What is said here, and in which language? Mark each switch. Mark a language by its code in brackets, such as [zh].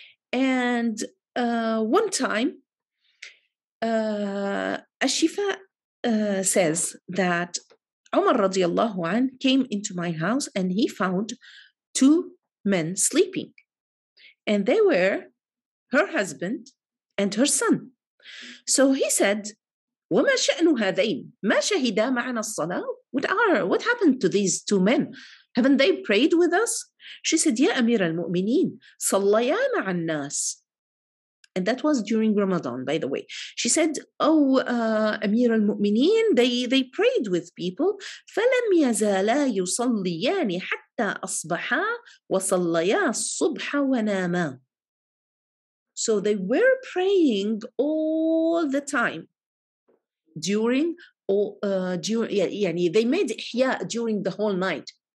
[en] And one time, Al-Shifaa says that Umar radiallahu anh came into my house and he found two men sleeping. And they were her husband and her son. So he said, [ar] وَمَا شَأْنُ هَذَيْنِ مَا شَهِدَا مَعَنَا الصَّلَاةِ. [en] What happened to these two men? Haven't they prayed with us? She said, [ar] يَا أَمِيرَ الْمُؤْمِنِينَ صَلَّيَا مَعَ النَّاسِ. [en] And that was during Ramadan, by the way. She said, oh, Amir al-Mu'mineen, they prayed with people. [ar] فَلَمْ يَزَالَا يُصَلِّيَانِ حَتَّى أَصْبَحَا وَصَلَّيَا الصُّبْحَ وَنَامَا. [en] So they were praying all the time they made ihya during the whole night.